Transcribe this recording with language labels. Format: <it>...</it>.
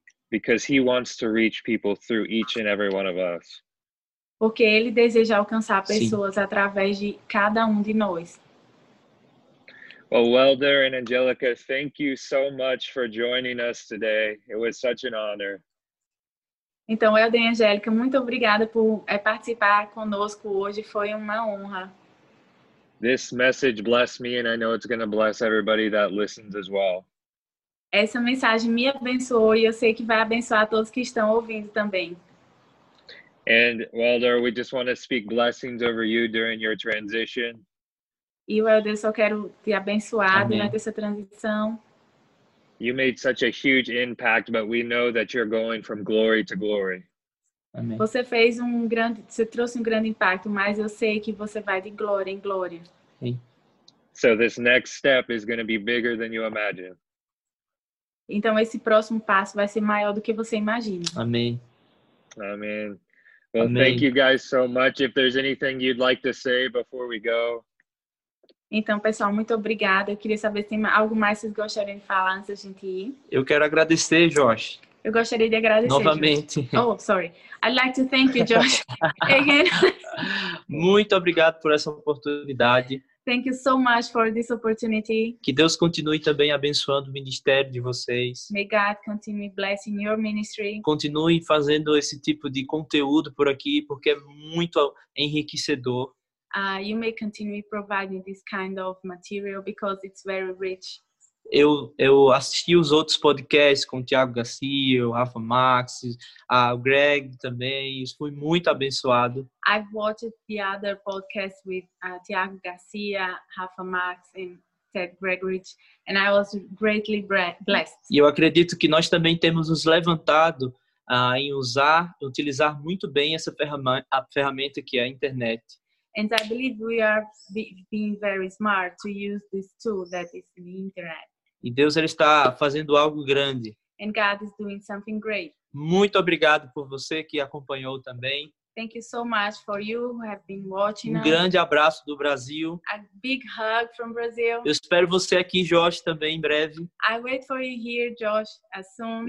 <en>Because He wants to reach people through each and every one of us.</en> <pt>Porque Ele deseja alcançar pessoas, sim, através de cada de nós.</pt> <en>Well, Welder and Angelica, thank you so much for joining us today. It was such an honor.</en> <pt>Então, Welder e Angelica, muito obrigada por participar conosco hoje. Foi uma honra.</pt> <en>This message blessed me and I know it's going to bless everybody that listens as well.</en> <pt>Essa mensagem me abençoou e eu sei que vai abençoar todos que estão ouvindo também.</pt> <en>And Welder, we just want to speak blessings over you during your transition.</en> <pt>E Welder, só quero te abençoar durante essa transição.</pt> <en>You made such a huge impact, but we know that you're going from glory to glory.</en> <pt>Amém. Você fez você trouxe grande impacto, mas eu sei que você vai de glória em glória.</pt> <en>So this next step is going to be bigger than you imagine.</en> <pt>Então esse próximo passo vai ser maior do que você imagina. Amém. Amém.</pt> <en>Well,</en> <pt>amém.</pt> <en>Thank you guys so much. If there's anything you'd like to say before we go.</en> <pt>Então, pessoal, muito obrigada. Eu queria saber se tem algo mais que vocês gostariam de falar antes da gente ir. Eu quero agradecer, Josh. Eu gostaria de agradecer. Novamente.</pt> <en>Josh. Oh, sorry. I'd like to thank you, Josh. Again.</en> <pt>Muito obrigado por essa oportunidade.</pt> <en>Thank you so much for this opportunity.</en> <pt>Que Deus continue também abençoando o ministério de vocês.</pt> <en>May God continue blessing your ministry.</en> <pt>Continue fazendo esse tipo de conteúdo por aqui, porque é muito enriquecedor.</pt> <en>You may continue providing this kind of material because it's very rich.</en> <pt>Eu assisti os outros podcasts com o Thiago Garcia, o Rafa Max, o Greg também. Fui muito abençoado.</pt> <en>I've watched the other podcasts with Thiago Garcia, Rafa Max e Ted Gregory, and I was greatly blessed.</en> <pt>E eu acredito que nós também temos nos levantado em utilizar muito bem essa ferramenta que é a internet.</pt> <en>And I believe we are being very smart to use this tool that is the internet.</en> <pt>E Deus ele está fazendo algo grande.</pt> <en>And God is doing something great.</en> <pt>Muito obrigado por você que acompanhou também.</pt> <en>Thank you so much for you who have been watching us.</en> <pt>Grande abraço do Brasil.</pt> <en>A big hug from Brazil.</en> <pt>Eu espero você aqui, Josh, também em breve.</pt> <en>I wait for you here, Josh, as soon.</en>